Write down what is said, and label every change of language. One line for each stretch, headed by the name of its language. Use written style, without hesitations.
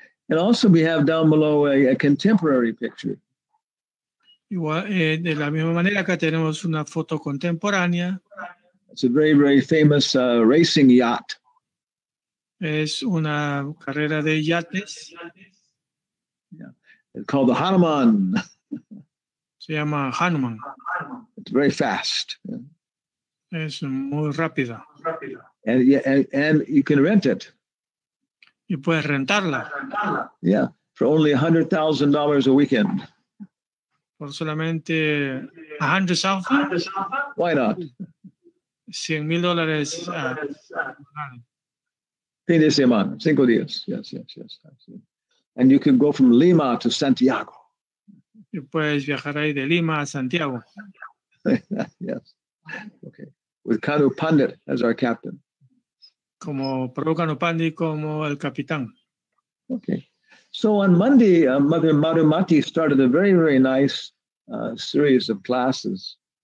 English: And also we have down below a contemporary picture.
Spanish: Igual, de la misma manera que tenemos una foto contemporánea.
English: It's a very, very famous racing yacht.
Spanish: Es una carrera de yates.
English: Yeah. It's called the Hanuman.
Spanish: Se llama Hanuman.
English: It's very fast.
Spanish: Es muy rápida.
English: And you can rent it.
Spanish: Y puedes rentarla.
English: Yeah, for only $100,000 a weekend.
Spanish: Por solamente 100 alfa.
English: Why not? $100,000.
Spanish: Fin de semana, 5 días. Yes.
English: And you can go from Lima to Santiago.
Spanish: Y puedes viajar ahí de Lima a Santiago.
English: Yes. Okay. With Kanu Pandit as our captain.
Spanish: Como Prabhupada Pandi, como el capitán.
English: Okay. So on Monday, Mother Marumati started a very, very nice series of classes.